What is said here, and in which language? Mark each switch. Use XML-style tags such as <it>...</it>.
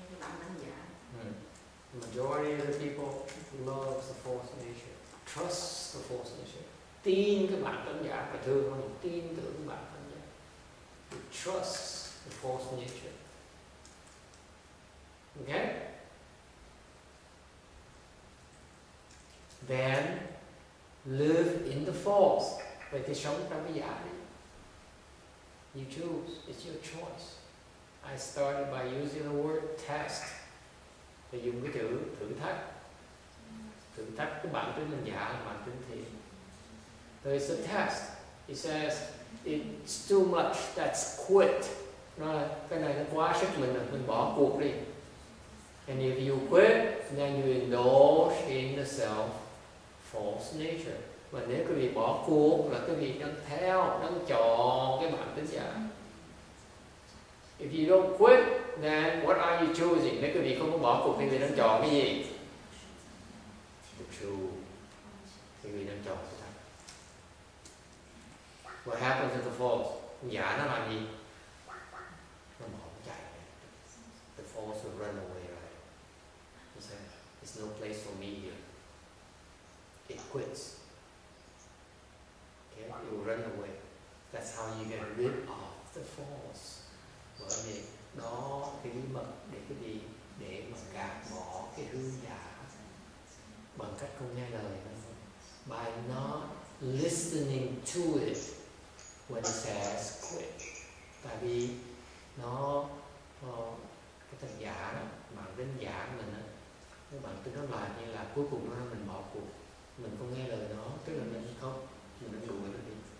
<en>The majority of the people loves the false nature, trusts the false nature.</en> <vi>Tin cái bản tính giả phải thương không? Tin tưởng bản tính giả.</vi> <en>It trusts the false nature. Okay? Then live in the false.</en> <vi>Vậy thì sống trong cái giả đi.</vi> <en>You choose. It's your choice. I started by using the word test.</en> <vi>Thì dùng cái chữ thử thách. Thử thách cái bản tính mình giả là bản tính thiện.</vi> <en>So it's a test. It says, it's too much, that's quit.</en> <vi>Nó là, cái này nó quá sức mình bỏ cuộc đi.</vi> <en>And if you quit, then you indulge in the self false nature.</en> <vi>Và nếu quý vị bỏ cuộc là quý vị đang theo, đang chọn cái bản tính giả.</vi> <en>If you don't quit, then what are you choosing?</en> <vi>Nếu quý vị không có bỏ cuộc thì quý vị đang chọn cái gì?</vi> <en>The truth.</en> <vi>Quý vị đang chọn cái thật.</vi> <en>What happens to the false?</en> <vi>Giả nó làm gì? Nó bỏ chạy.</vi> <en>The false will run away, right? It's like, there's no place for me here. It quits. Okay? It will run away. That's how you get rid of the false.</en> <vi>Bởi vì đó cái bí mật để cái gì để mà gạt bỏ cái hư giả bằng cách không nghe lời nó.</vi> <en>By not listening to it when it says quit.</en> <vi>Tại vì nó cái thằng giả đó, bản tính giả mình á, cái bản tính nó là như là cuối cùng nó mình bỏ cuộc, mình không nghe lời nó, tức là mình không, mình đánh đuổi nó đi.</vi>